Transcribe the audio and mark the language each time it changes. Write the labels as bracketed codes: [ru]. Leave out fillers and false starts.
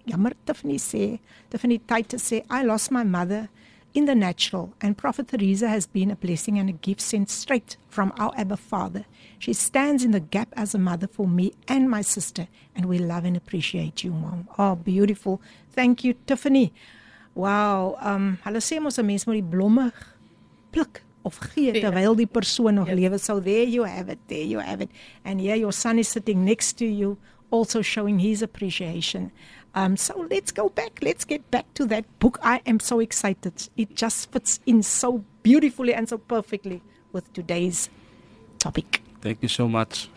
[af] Jammer, Tiffany Titus sê, [en] I lost my mother in the natural, and Prophet Theresa has been a blessing and a gift sent straight from our Abba Father. She stands in the gap as a mother for me and my sister, and we love and appreciate you, Mom. Oh, beautiful. Thank you, Tiffany. Wow. [af] Hulle sê mos 'n mens moet die blomme pluk of gee terwyl die persoon nog lewe. [en] So there you have it. And here your son is sitting next to you, also showing his appreciation. So let's go back. Let's get back to that book. I am so excited. It just fits in so beautifully and so perfectly with today's topic. Thank you so much.